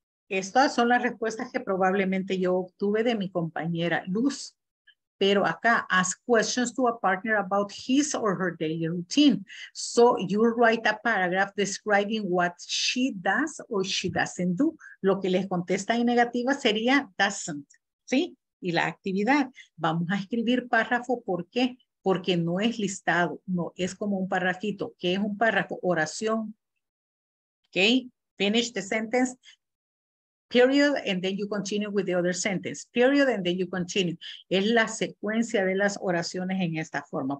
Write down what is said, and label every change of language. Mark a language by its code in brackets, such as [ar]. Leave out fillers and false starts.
[es] Estas son las respuestas que probablemente yo obtuve de mi compañera Luz. Pero acá, [en] ask questions to a partner about his or her daily routine. So you write a paragraph describing what she does or she doesn't do. [es] Lo que les contesta en negativa sería doesn't. ¿Sí? Y la actividad. Vamos a escribir párrafo. ¿Por qué? Porque no es listado, no, es como un parrafito. ¿Qué es un párrafo? Oración. [en] Okay, finish the sentence, period, and then you continue with the other sentence. Period, and then you continue. [es] Es la secuencia de las oraciones en esta forma.